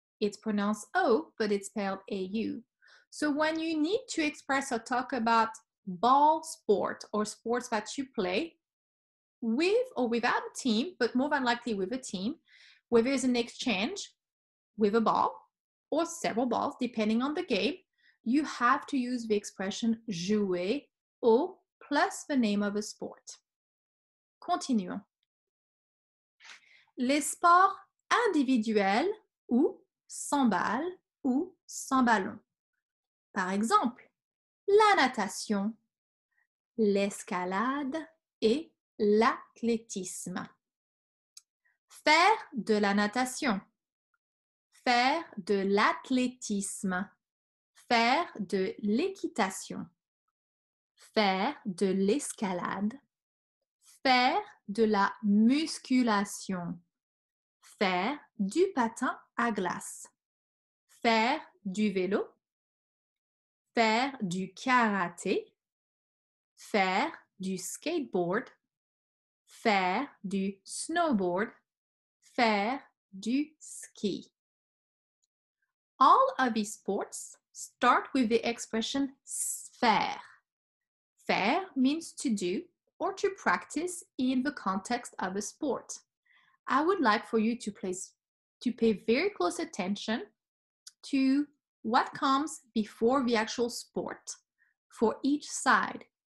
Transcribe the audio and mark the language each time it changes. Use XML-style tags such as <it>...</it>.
<en>It's pronounced O, but it's spelled A-U. So when you need to express or talk about ball sport or sports that you play with or without a team, but more than likely with a team, where there's an exchange with a ball or several balls, depending on the game, you have to use the expression jouer au plus the name of a sport.</en> <fr>Continuons. Les sports individuels ou sans balle ou sans ballon. Par exemple, la natation, l'escalade et l'athlétisme. Faire de la natation, faire de l'athlétisme, faire de l'équitation, faire de l'escalade, faire de la musculation, faire du patin à glace, faire du vélo, faire du karaté, faire du skateboard, faire du snowboard, faire du ski.</fr> <en>All of these sports start with the expression faire. Faire means to do or to practice in the context of a sport. I would like for you to pay very close attention to what comes before the actual sport for each side.</en>